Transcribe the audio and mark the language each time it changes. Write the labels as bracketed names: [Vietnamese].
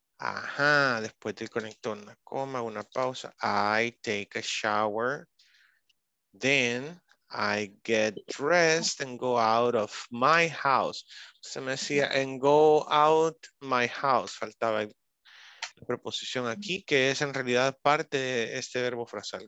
[Spanish] Ajá, después del conector, una coma, una pausa. [English] I take a shower. Then, I get dressed and go out of my house. [Spanish] Se me decía, [English] and go out my house. [Spanish] Faltaba la preposición aquí, que es en realidad parte de este verbo frasal.